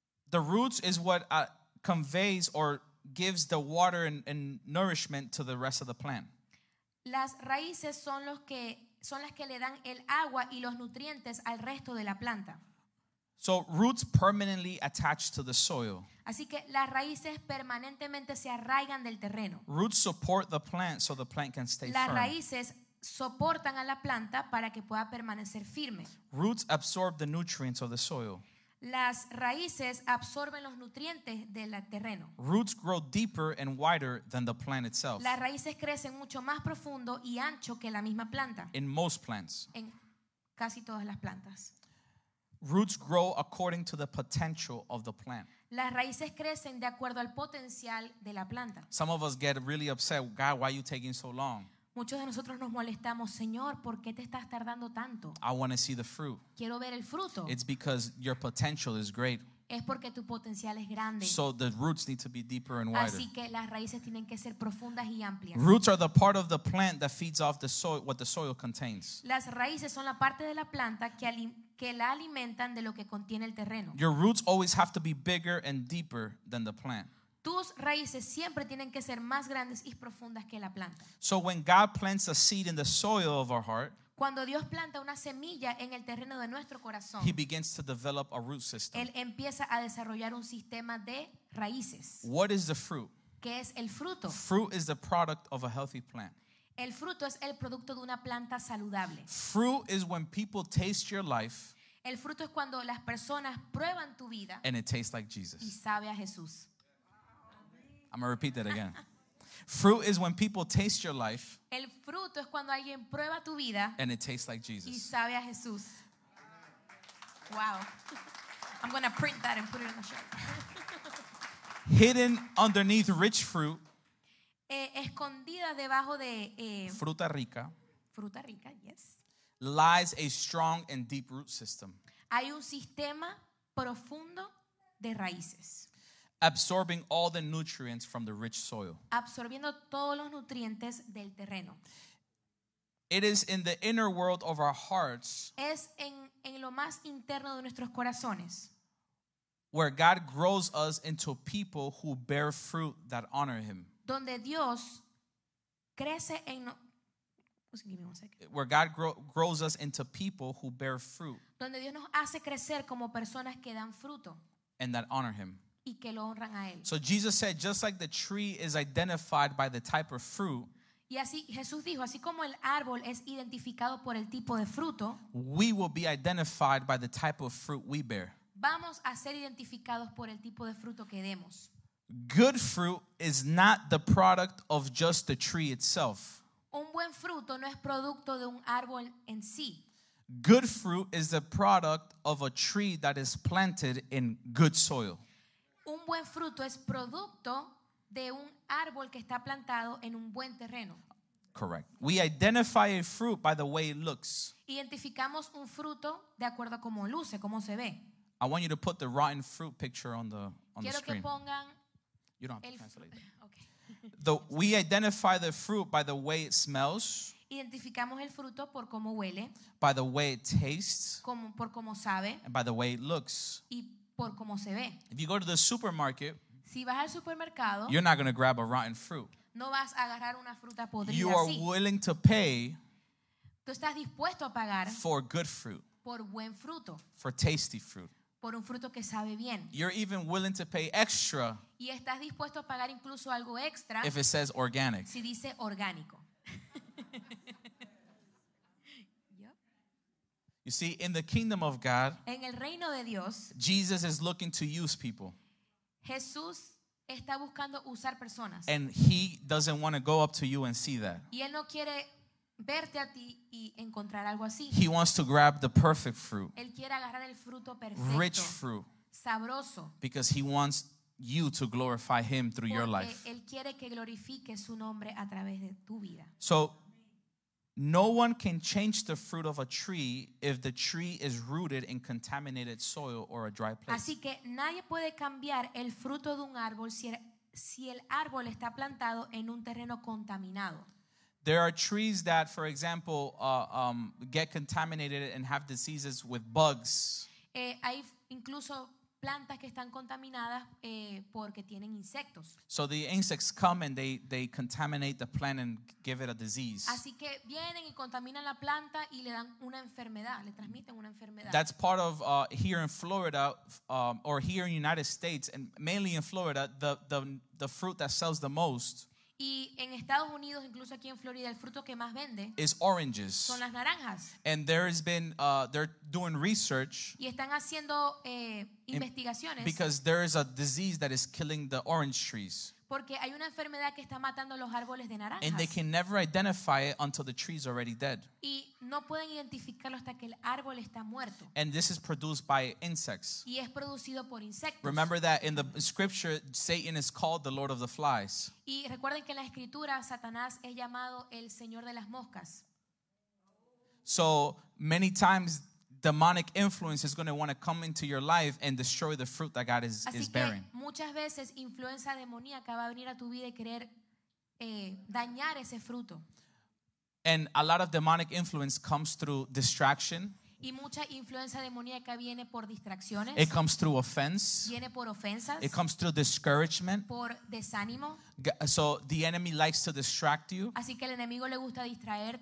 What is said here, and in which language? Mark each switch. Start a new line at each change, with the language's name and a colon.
English: The roots is what conveys or gives the water and nourishment to the rest of the plant.
Spanish: Las raíces son los que son las que le dan el agua y los nutrientes al resto de la planta.
English: So roots permanently attach to the soil.
Spanish: Así que las raíces permanentemente se arraigan del terreno.
English: Roots support the plant so the plant can stay firm.
Spanish: Las raíces soportan a la planta para que pueda permanecer firme.
English: Roots absorb the nutrients of the soil.
Spanish: Las raíces absorben los nutrientes del terreno.
English: Roots grow deeper and wider than the plant itself.
Spanish: Las raíces crecen mucho más profundo y ancho que la misma planta.
English: In most plants.
Spanish: En casi todas las plantas.
English: Roots grow according to the potential of the plant.
Spanish: Las raíces crecen de acuerdo al potencial de la planta.
English: Some of us get really upset. God, why are you taking so long?
Spanish: Muchos de nosotros nos molestamos, Señor, ¿por qué te estás tardando tanto?
English: I want to see the fruit.
Spanish: Quiero ver el fruto.
English: It's because your potential is great.
Spanish: Es porque tu potencial es grande.
English: So the roots need to be deeper and wider.
Spanish: Así que las raíces tienen que ser profundas y amplias.
English: Roots are the part of the plant that feeds off the soil, what the soil contains.
Spanish: Las raíces son la parte de la planta que la alimentan de lo que contiene el terreno.
English: Your roots always have to be bigger and deeper than the plant.
Spanish: Tus raíces siempre tienen que ser más grandes y profundas que la planta.
English: So when God plants a seed in the soil of our heart,
Spanish: cuando Dios planta una semilla en el terreno de nuestro corazón,
English: he begins to develop a root system.
Spanish: Él empieza a desarrollar un sistema de raíces.
English: What is the fruit?
Spanish: ¿Qué es el fruto?
English: Fruit is the product of a healthy plant.
Spanish: El fruto es el producto de una planta saludable.
English: Fruit is when people taste your life.
Spanish: El fruto es cuando las personas prueban tu vida.
English: And it tastes like Jesus.
Spanish: Y sabe a Jesús.
English: I'm going to repeat that again. Fruit is when people taste your life.
Spanish: El fruto es cuando alguien prueba tu vida.
English: And it tastes like Jesus.
Spanish: Y sabe a Jesús. Wow.
English: I'm going to print that and put it on the shirt. Hidden underneath rich fruit.
Spanish: Escondida debajo de fruta rica. Fruta rica, yes.
English: Lies a strong and deep root system.
Spanish: Hay un sistema profundo de raíces.
English: Absorbing all the nutrients from the rich soil.
Spanish: Absorbiendo todos los nutrientes del terreno.
English: It is in the inner world of our hearts.
Spanish: Es en lo más interno de nuestros corazones.
English: Where God grows us into people who bear fruit that honor him.
Spanish: Donde Dios crece en
English: give me one second. Where God grows us into people who bear fruit.
Spanish: Donde Dios nos hace crecer como personas que dan fruto.
English: And that honor him.
Spanish: Y que lo honran a él.
English: So Jesus said, just like the tree is identified by the type of fruit.
Spanish: Y así Jesús dijo, así como el árbol es identificado por el tipo de fruto.
English: We will be identified by the type of fruit we bear.
Spanish: Vamos a ser identificados por el tipo de fruto que demos.
English: Good fruit is not the product of just the tree itself.
Spanish: Un buen fruto no es producto de un árbol en sí.
English: Good fruit is the product of a tree that is planted in good soil.
Spanish: Un buen fruto es producto de un árbol que está plantado en un buen terreno.
English: Correct. We identify a fruit by the way it looks.
Spanish: Identificamos un fruto de acuerdo a cómo luce, cómo se ve.
English: I want you to put the rotten fruit picture on the screen.
Spanish: Quiero que pongan.
English: You don't have to translate it. Okay. We identify the fruit by the way it smells.
Spanish: Identificamos el fruto por cómo huele.
English: By the way it tastes.
Spanish: Como, por cómo sabe.
English: And by the way it looks.
Spanish: Y por cómo se ve.
English: If you go to the supermarket,
Spanish: si vas al supermercado,
English: you're not going to grab a rotten fruit.
Spanish: No vas a agarrar una fruta podrida.
English: You are
Spanish: así.
English: Willing to pay.
Spanish: Tú estás dispuesto a pagar
English: for good fruit.
Spanish: Por buen fruto.
English: For tasty fruit.
Spanish: Por un fruto que sabe bien.
English: You're even willing to pay extra.
Spanish: Y estás dispuesto a pagar incluso algo extra.
English: If it says organic.
Spanish: Si dice orgánico.
English: You see, in the kingdom of God,
Spanish: en el reino de Dios,
English: Jesus is looking to use people.
Spanish: Jesús está buscando usar personas.
English: And he doesn't want to go up to you and see that.
Spanish: Y él no quiere verte a ti y encontrar algo así.
English: He wants to grab the perfect fruit.
Spanish: Él quiere agarrar el fruto perfecto.
English: Rich fruit.
Spanish: Sabroso.
English: Because he wants you to glorify him through
Spanish: Porque
English: your life.
Spanish: Él quiere que glorifique su nombre a través de tu vida.
English: So, no one can change the fruit of a tree if the tree is rooted in contaminated soil or a dry place.
Spanish: Así que nadie puede cambiar el fruto de un árbol si el árbol está plantado en un terreno contaminado.
English: There are trees that, for example, get contaminated and have diseases with bugs.
Spanish: Hay incluso plantas que están contaminadas porque tienen insectos.
English: So the insects come and they contaminate the plant and give it a disease.
Spanish: Así que vienen y contaminan la planta y le dan una enfermedad, le transmiten una enfermedad.
English: That's part of here in Florida or here in the United States and mainly in Florida, the fruit that sells the most.
Spanish: Y en Estados Unidos, incluso aquí en Florida, el fruto que más vende
English: is oranges.
Spanish: Son las naranjas.
English: And there has been, they're doing research.
Spanish: Y están haciendo investigaciones.
English: Because there is a disease that is killing the orange trees.
Spanish: Porque hay una enfermedad que está matando los árboles de naranjas.
English: And they can never identify it until the tree is already dead.
Spanish: Y no pueden identificarlo hasta que el árbol está muerto.
English: And this is produced by insects.
Spanish: Y es producido por insectos.
English: Remember that in the scripture, Satan is called the Lord of the Flies.
Spanish: Y recuerden que en la escritura, Satanás es llamado el Señor de las Moscas.
English: So many times, demonic influence is going to want to come into your life and destroy the fruit that God is
Spanish: así que,
English: bearing.
Spanish: Muchas veces influencia demoníaca va a venir a tu vida y querer dañar ese fruto.
English: And a lot of demonic influence comes through distraction.
Spanish: Y mucha influencia demoníaca viene por distracciones.
English: It comes through offense.
Spanish: Viene por ofensas.
English: It comes through discouragement.
Spanish: Por desánimo.
English: So the enemy likes to distract you.
Spanish: Así que el enemigo le gusta distraerte.